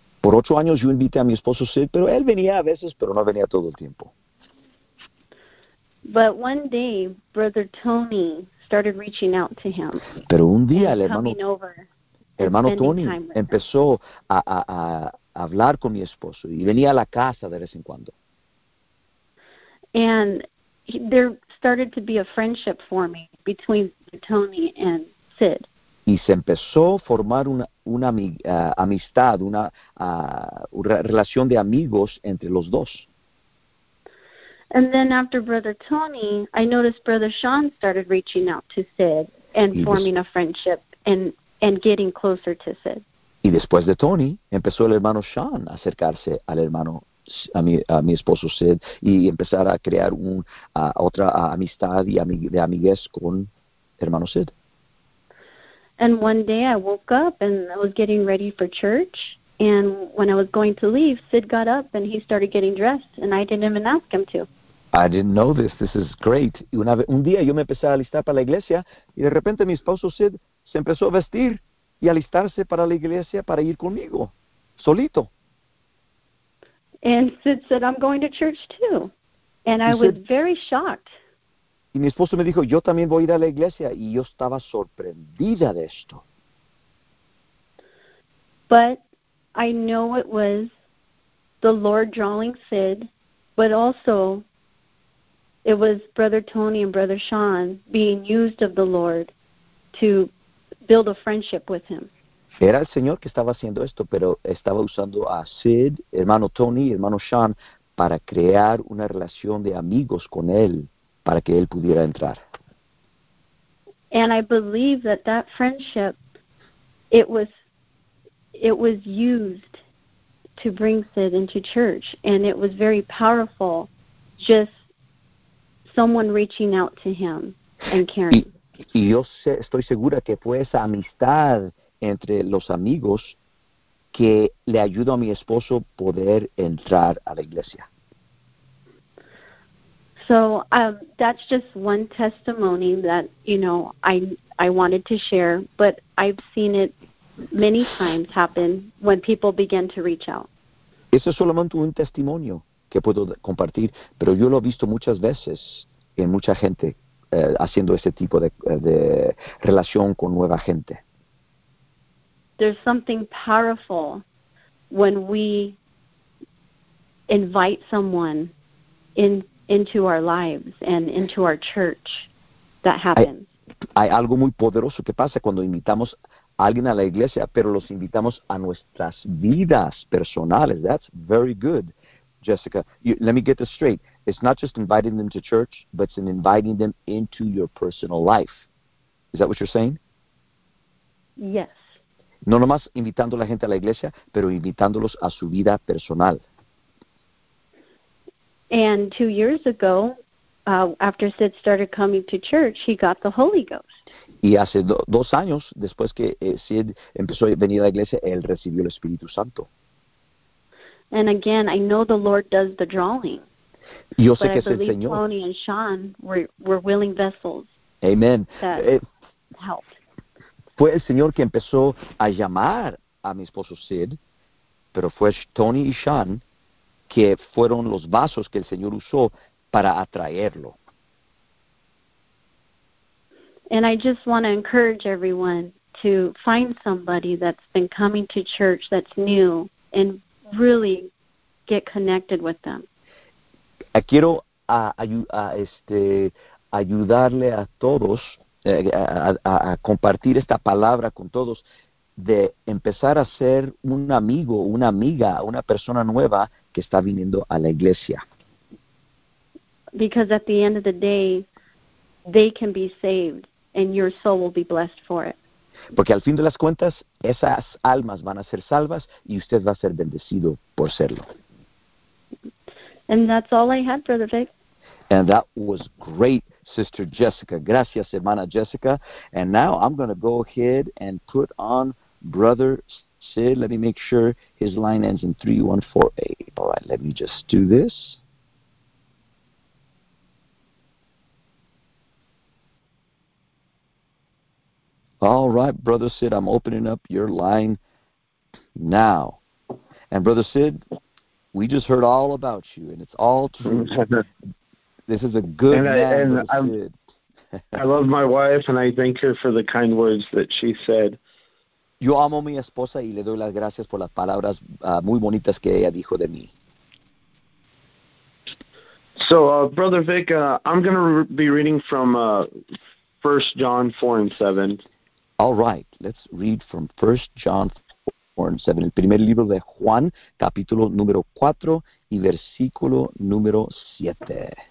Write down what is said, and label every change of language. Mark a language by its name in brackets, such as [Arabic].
[Spanish] Por 8 años, yo invité a mi esposo Sid, pero él venía a veces, pero no venía todo el tiempo. [English] But one day, Brother Tony started reaching out to him. [Spanish] Pero un día, el hermano Tony empezó a hablar con mi esposo, y venía a la casa de vez en cuando. [English] And there started to be a friendship for me between Tony and Sid. [Spanish] Y se empezó a formar una amistad, una relación de amigos entre los dos. [English] And then after Brother Tony, I noticed Brother Sean started reaching out to Sid and forming a friendship and and getting closer to Sid. [Spanish] Y después de Tony, empezó el hermano Sean a acercarse al hermano, a mi esposo Sid, y empezar a crear otra amistad y amiguez con hermano Sid. [English] And one day I woke up and I was getting ready for church. And when I was going to leave, Sid got up and he started getting dressed. And I didn't even ask him to. I didn't know this. This is great. [Spanish] Un día yo me empecé a alistar para la iglesia. Y de repente mi esposo Sid se empezó a vestir y alistarse para la iglesia para ir conmigo. Solito. [English] And Sid said, I'm going to church too. And I was very shocked. [Spanish] Y mi esposo me dijo, yo también voy a ir a la iglesia. Y yo estaba sorprendida de esto. [English] But I know it was the Lord drawing Sid, but also it was Brother Tony and Brother Sean being used of the Lord to build a friendship with him. [Spanish] Era el Señor que estaba haciendo esto, pero estaba usando a Sid, hermano Tony, hermano Sean, para crear una relación de amigos con él, para que él pudiera entrar. [English] And I believe that that friendship, it was used to bring Sid into church, and it was very powerful, just someone reaching out to him and caring. [Spanish] Y yo estoy segura que fue esa amistad entre los amigos que le ayudó a mi esposo poder entrar a la iglesia. [English] So that's just one testimony that, you know, I wanted to share, but I've seen it many times happen when people begin to reach out. [Spanish] Eso es solamente un testimonio que puedo compartir, pero yo lo he visto muchas veces en mucha gente haciendo ese tipo de relación con nueva gente. [English] There's something powerful when we invite someone into our lives and into our church that happens. [Spanish] Hay algo muy poderoso que pasa cuando invitamos a alguien a la iglesia, pero los invitamos a nuestras vidas personales. [English] That's very good, Jessica. Let me get this straight. It's not just inviting them to church, but it's inviting them into your personal life. Is that what you're saying? Yes. [Spanish] No nomás invitando a la gente a la iglesia, pero invitándolos a su vida personal. [English] And 2 years ago, after Sid started coming to church, he got the Holy Ghost. [Spanish] Y hace dos años, después que Sid empezó a venir a la iglesia, él recibió el Espíritu Santo. [English] And again, I know the Lord does the drawing. [Spanish] Yo sé [English] but [Spanish] que [English] I [Spanish] es [English] believe [Spanish] el Señor. [English] Tony and Sean were willing vessels. Amen. That helped. [Spanish] Fue el Señor que empezó a llamar a mi esposo Sid, pero fue Tony y Sean que fueron los vasos que el Señor usó para atraerlo. [English] And I just want to encourage everyone to find somebody that's been coming to church that's new and really get connected with them. [Spanish] Quiero ayudarle a todos, a compartir esta palabra con todos, de empezar a ser un amigo, una amiga, una persona nueva que está viniendo a la iglesia. [English] Because at the end of the day, they can be saved and your soul will be blessed for it. [Spanish] Porque al fin de las cuentas, esas almas van a ser salvas y usted va a ser bendecido por serlo. [English] And that's all I had, Brother Vic. And that was great, Sister Jessica. [Spanish] Gracias, hermana Jessica. [English] And now I'm going to go ahead and put on Brother Sid. Let me make sure his line ends in 3148. All right, let me just do this. All right, Brother Sid, I'm opening up your line now. And Brother Sid, we just heard all about you, and it's all true. This is a good Sid. I love my wife, and I thank her for the kind words that she said. [Spanish] Yo amo a mi esposa y le doy las gracias por las palabras muy bonitas que ella dijo de mí. [English] So, Brother Vic, I'm going to be reading from 1 John 4 and 7. All right, let's read from 1 John 4 and 7. [Spanish] El primer libro de Juan, capítulo número 4 y versículo número 7.